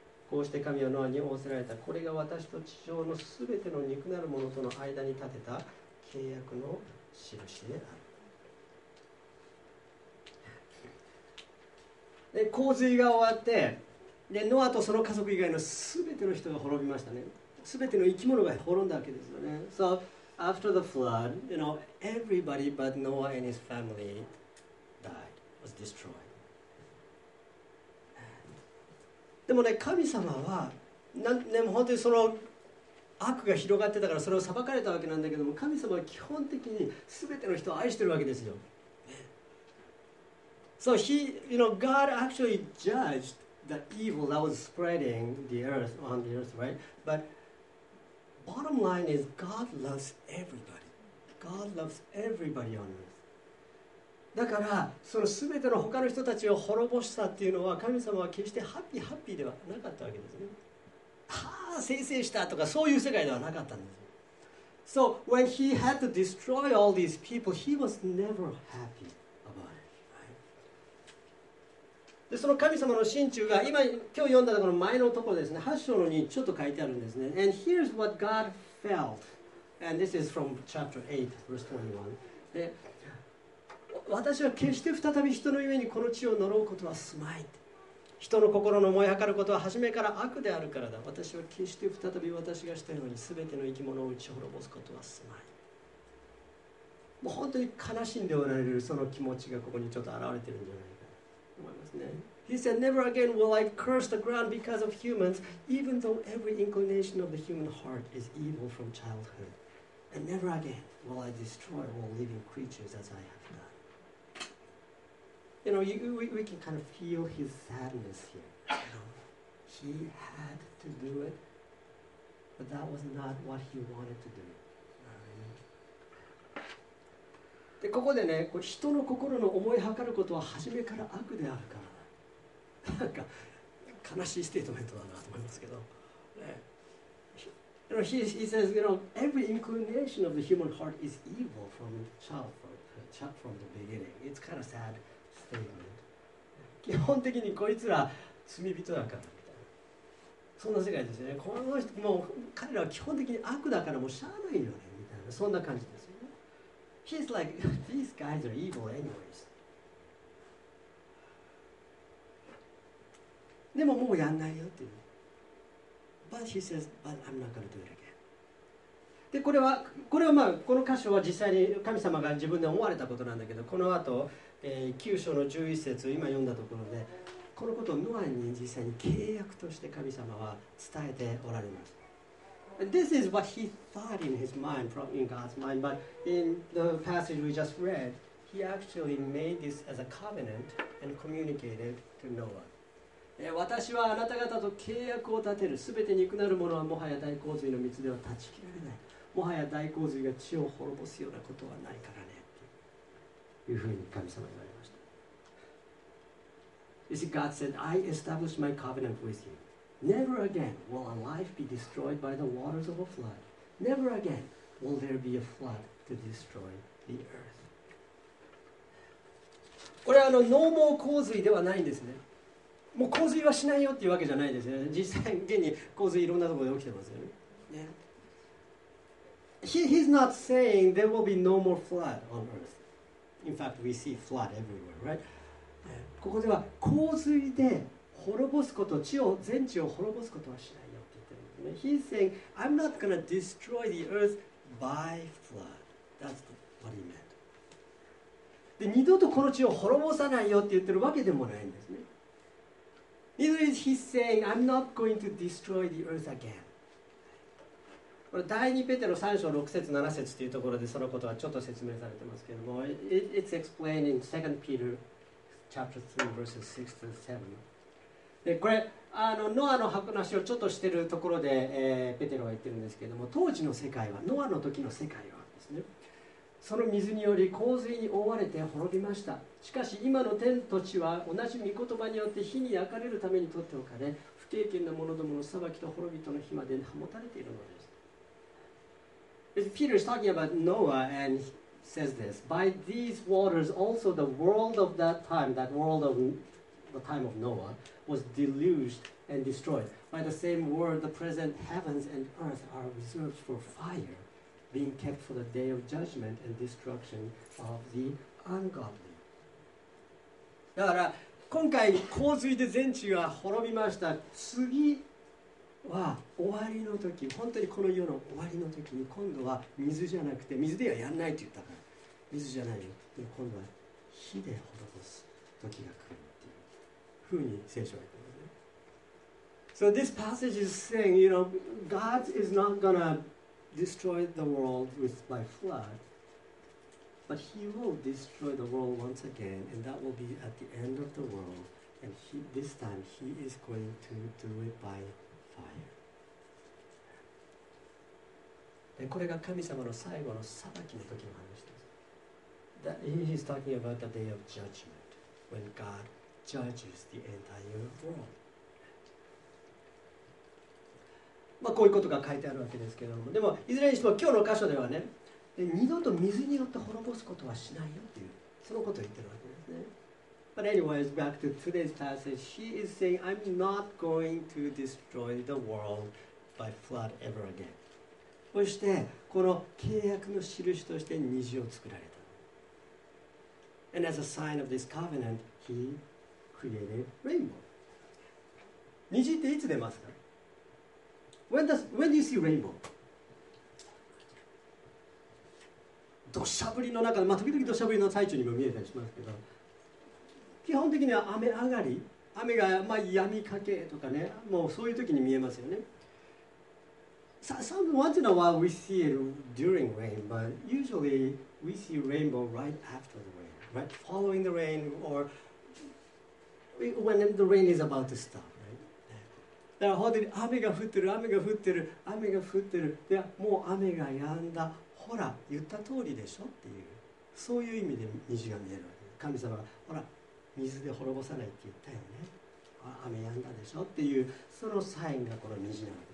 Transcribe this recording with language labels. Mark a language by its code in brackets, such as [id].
[ja] こうして神はノアに仰せられた。これが私と地上のすべての肉なるものとの間に立てた契約の印である。で、洪水が終わって、でノアとその家族以外のすべての人が滅びましたね。すべての生き物が滅んだわけですよね。 [en] So after the flood, you know, everybody but Noah and his family died, was destroyed. [ja] でもね、神様は、ね、本当にその悪が広がってたからそれを裁かれたわけなんだけども、神様は基本的にすべての人を愛してるわけですよ。 [en] So he, you know, God actually judged the evil that was spreading the earth on the earth, right? But bottom line is God loves everybody. God loves everybody on earth. [ja] だからその全ての他の人たちを滅ぼしたっていうのは神様は決してハッピーハッピーではなかったわけですね。ああ、生成したとかそういう世界ではなかったんです。 [en] So when he had to destroy all these people, he was never happy about it.、Right? [ja] その神様の心中が今日読んだところの前のところですね、8章の2にちょっと書いてあるんですね。 [en] And here's what God felt. And this is from chapter 8, verse 21. [ja] で私は決して再び人の上にこの地を呪うことはすまい。人の心の燃え上がることは初めから悪であるからだ。私は決して再び私がしたようにすべての生き物を打ち滅ぼすことはすまい。もう本当に悲しんでおられるその気持ちがここにちょっと現れてるんじゃないかと思いますね。 [en] He said, Never again will I curse the ground because of humans, even though every inclination of the human heart is evil from childhood. And never again will I destroy all living creatures as I have done. You know, we can kind of feel his sadness here. You know, he had to do it, but that was not what he wanted to do. [ja] で、ここでね、人の心の思いはかることは初めから悪であるから。なんか、悲しいステートメントだなと思いますけど。 [en] You know, he says, you know, every inclination of the human heart is evil from childhood, from the beginning. It's kind of sad. [ja] 基本的にこいつら罪人だからみたいな、そんな世界ですよね。この人もう彼らは基本的に悪だからもうしゃあないよねみたいな、そんな感じですよね。 [en] He's like, these guys are evil anyways. [ja] でももうやんないよっていう。 [en] But he says, but I'm not gonna do it again. [ja] でこれはまあこの箇所は実際に神様が自分で思われたことなんだけど、この後9章の11節を今読んだところで、このことをノアに実際に契約として神様は伝えておられます。 [en] This is what he thought in his mind, probably in God's mind, but in the passage we just read, he actually made this as a covenant and communicated to Noah. [ja] 私はあなた方と契約を立てる。すべて肉なるものはもはや大洪水の水では断ち切られない。もはや大洪水が地を滅ぼすようなことはないからね。いうふうに神様言われました。 [en] You see, God said, I establish my covenant with you. Never again will a life be destroyed by the waters of a flood. Never again will there be a flood to destroy the earth. [ja] これはノーモー洪水ではないんですね。もう洪水はしないよっていうわけじゃないんですね。実際現に洪水いろんなところで起きてますよね。 [en] He's not saying there will be no more flood on earth. In fact, we see flood everywhere, right? [ja] ここでは洪水で滅ぼすこと、全地を滅ぼすことはしないよって言ってるんですね。 [en] He's saying, I'm not going to destroy the earth by flood. That's what he meant. [ja] で、二度とこの地を滅ぼさないよって言ってるわけでもないんですね。 [en] Neither is he saying, I'm not going to destroy the earth again. [ja] 第2ペテロ3章6節7節というところでそのことはちょっと説明されてますけれども [en] It's explained in 2 Peter chapter 3 verses 6 to 7 [ja] でこれノアの話をちょっとしているところで、ペテロは言ってるんですけれども、当時の世界はノアの時の世界はですね、その水により洪水に覆われて滅びました。しかし今の天と地は同じ御言葉によって火に焼かれるために取っておかれ、不敬虔な者どもの裁きと滅びとの火まで保たれているのです。 [en] Peter is talking about Noah and says this, by these waters also the world of that time, that world of the time of Noah, was deluged and destroyed. By the same word, the present heavens and earth are reserved for fire, being kept for the day of judgment and destruction of the ungodly. [ja] だから今回洪水で全地が滅びました。次は終わりの時、本当にこの世の終わりの時に、今度は水じゃなくて、水ではやんないと言ったから水じゃないよ、で今度は火で滅ぼす時が来るっていうふうに聖書は言ってますね。 [en] So this passage is saying, you know, God is not gonna destroy the world by flood, but he will destroy the world once again, and that will be at the end of the world, and he, this time he is going to do it by [ja] これが神様の最後の裁きの時の話です。 [en] He's talking about the day of judgment when God judges the entire world. [ja] まあこういうことが書いてあるわけですけども、でもいずれにしても今日の箇所ではね、二度と水によって滅ぼすことはしないよっていう、そのことを言ってるわけですね。 [en] But anyways, back to today's passage, he is saying, I'm not going to destroy the world by flood ever again. [ja] そしてこの契約の印として虹を作られた。 [en] And as a sign of this covenant, he created rainbow. [ja] 虹っていつ出ますか？ [en] When do you see rainbow? [ja] 土砂降りの中で、まあ、時々土砂降りの最中にも見えたりしますけど、基本的には雨上がり、雨がまあ止みかけとかね、もうそういう時に見えますよね。 [en] Some once in a while we see it during rain, but usually we see rainbow right after the rain, right following the rain, or when the rain is about to stop, right? [ja] だから本当に雨が降ってる、でもう雨が止んだ、ほら言った通りでしょっていう、そういう意味で虹が見えるわけ。神様がほら水で滅ぼさないって言ったよね、雨止んだでしょっていう、そのサインがこの虹なわけですね。